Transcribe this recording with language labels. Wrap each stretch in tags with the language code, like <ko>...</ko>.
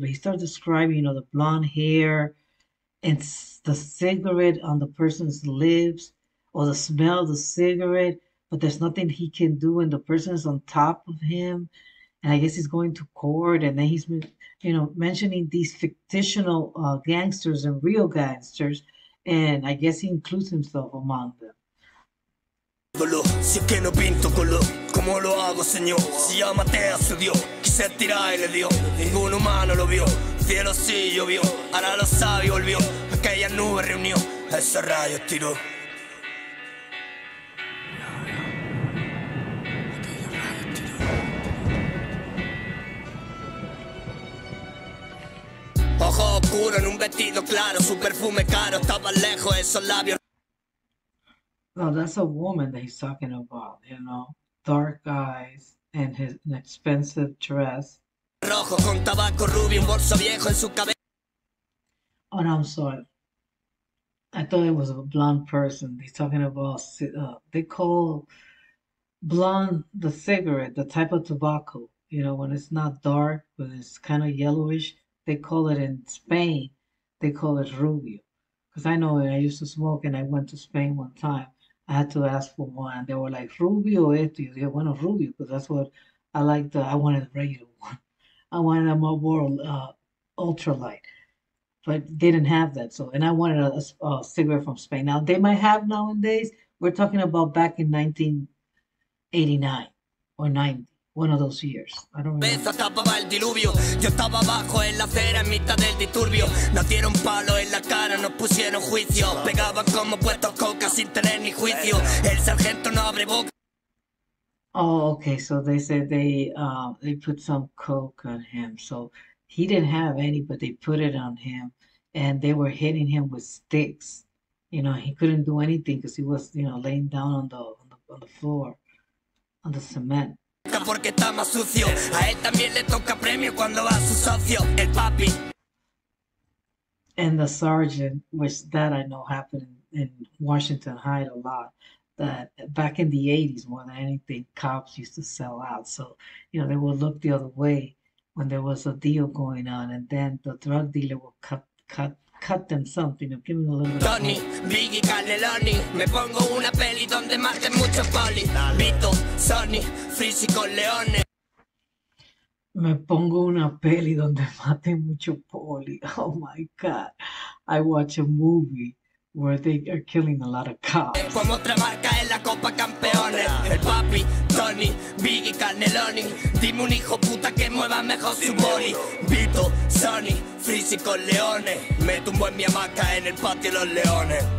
<en>But he started describing, you know, the blonde hair and the cigarette on the person's lips or the smell of the cigarette. But there's nothing he can do when the person is on top of him And I guess he's going to court, and then he's, mentioning these fictional gangsters and real gangsters, and I guess he includes himself among them.</en> <es>Si es que no pinto color, ¿cómo lo hago, señor? Si ya maté a su dios, quise tirar y le dio. Ningún humano lo vio, cielo sí llovió. Ahora lo sabe y volvió, aquella nube reunió. Ese rayo estiró. Ojo oscuro en un vestido claro, su perfume caro, estaba lejos esos labios.</es> <en>No, that's a woman that he's talking about, dark eyes and his an expensive dress.</en> <es>Rojo con tabaco rubio, un bolso viejo en su cabeza.</es> <en>Oh, no, I'm sorry. I thought it was a blonde person. He's talking about, they call blonde the cigarette, the type of tobacco, when it's not dark, but it's kind of yellowish. They call it in Spain, they call it rubio. Because I know it, I used to smoke and I went to Spain one time. I had to ask for one, and they were like,</en> <es>Rubio, esto. Yo dije, bueno, Rubio,</es> <en>because that's what I like. I wanted a regular one. I wanted a Marlboro ultralight, but they didn't have that. So, and I wanted a cigarette from Spain. Now, they might have nowadays. We're talking about back in 1989 or 90, one of those years. I don't remember.</en> <es>Tapaba el diluvio, yo estaba abajo en la acera en mitad del disturbio. Nos dieron palo en la cara, nos pusieron juicio. Pegaban como puestos coca sin tener ni juicio. El sargento no abre boca.</es> <en>Oh, okay, so they said they put some coke on him. So he didn't have any, but they put it on him and they were hitting him with sticks. He couldn't do anything because he was, laying down on the floor, on the cement.</en> <es>Porque está más sucio. A él también le toca premio cuando va a su socio, el papi.</es> <en>And the sergeant, which that I know happened in Washington Heights a lot, that back in the 80s, more than anything, cops used to sell out. So, they would look the other way when there was a deal going on, and then the drug dealer would cut them something, or give them a little bit of Tony, coke.</en> <es>Biggie, Carleloni, me pongo una peli donde maten muchos polis. Vito, Sonny, Frisi con Leone. Me pongo una peli donde maten mucho poli.</es> <en>Oh my God. I watch a movie where they are killing a lot of cops.</en> <es>Como otra marca en la Copa Campeones. El papi, Tony, Biggie, Carleloni. Dime un hijo puta que mueva mejor su boli. Vito, Sonny, Frisi con Leone. Me tumbo en mi hamaca en el patio de los leones.</es>